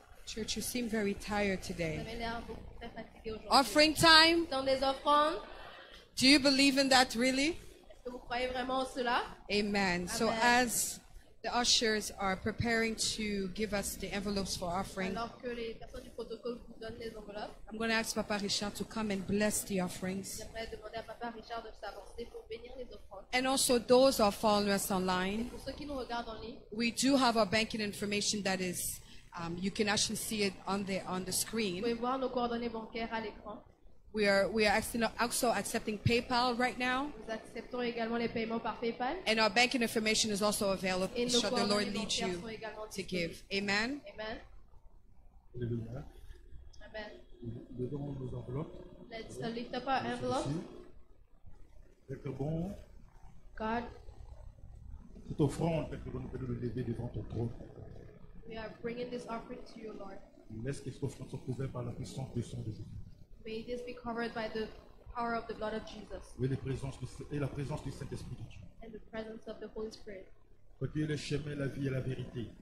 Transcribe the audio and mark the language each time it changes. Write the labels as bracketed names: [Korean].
[English] Church, you seem very tired today. [French] Vous avez l'air beaucoup très fatigué aujourd'hui. [English] Offering time. [French] Temps des offrandes. [English] Do you believe in that really? [French] Vous croyez vraiment en cela? Amen. Amen. [English] So as the ushers are preparing to give us the envelopes for offering, [French] alors que les personnes du protocole vous donnent les enveloppes, [English] I'm going to ask Papa Richard to come and bless the offerings. [French] J'aimerais demander à Papa Richard de s'avancer pour bénir les offrandes. [English] And also those who are following us online, [French] et pour ceux qui nous regardent en ligne, [English] we do have our banking information that is, you can actually see it on the screen. [French] Vous pouvez voir nos coordonnées bancaires à l'écran. [English] We are also accepting PayPal right now. [French] Nous acceptons également les paiements par PayPal. [English] And our banking information is also available. Shall the Lord lead you to give. Amen. Amen. Alléluia. Amen. [French] Nous demandons vos enveloppes. [English] Let's lift up our envelope. [French] Père bon. [English] God. [French] Cette offrande, Père bon, nous pouvons le lever devant ton trône. [English] We are bringing this offering to you, Lord. [French] Laisse que cette offrande soit couverte par la puissance du sang de Jésus. [English] May this be covered by the power of the blood of Jesus. [French] Et la présence du Saint-Esprit de Dieu. [English] And the presence of the Holy Spirit. [French] Toi qui es le chemin, la vie et la vérité.